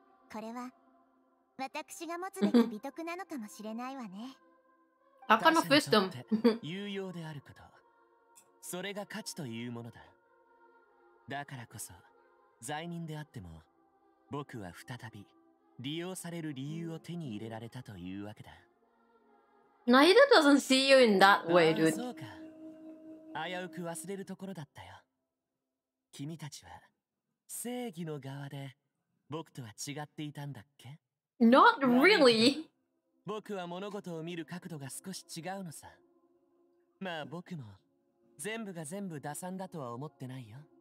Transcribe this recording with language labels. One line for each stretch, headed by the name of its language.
Japanese: これは私が持つべき美徳なのかもしれないわね。バカのフィストン。有用であること、それが価値というものだ。だからこそ罪人であっても僕は再び利用される理由を手に入れられたというわけだ。
English: Neither doesn't see you in that way, dude.
Japanese: そうか、危うく忘れるところだったよ。君たちは正義の側で僕とは違っていたんだっけ？
English: Not really.
Japanese: 僕は物事を見る角度が少し違うのさ。まあ僕も全部が全部打算だとは思ってないよ。